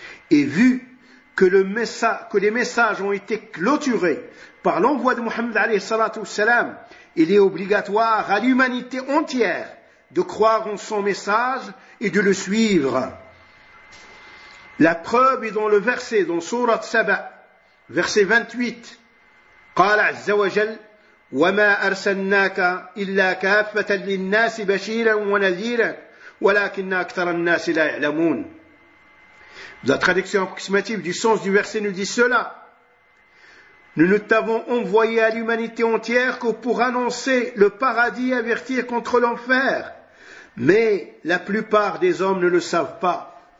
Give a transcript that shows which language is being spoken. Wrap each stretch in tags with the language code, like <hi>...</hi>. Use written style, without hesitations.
<fr>Et vu que les messages ont été clôturés par l'envoi de Muhammad alayhi salatu wassalam, il est obligatoire à l'humanité entière de croire en son message et de le suivre. La preuve est dans le verset, dans Sourate Saba, verset 28.</fr> <ar>قال عز وجل وما أرسلناك إلا كافة للناس بشيرا ونذيرا ولكن أكثر الناس لا يعلمون.</ar> <fr>La traduction approximative du sens du verset nous dit cela. Nous ne t'avons envoyé à l'humanité entière que pour annoncer le paradis et avertir contre l'enfer. Mais la plupart des hommes ne le savent pas.</fr>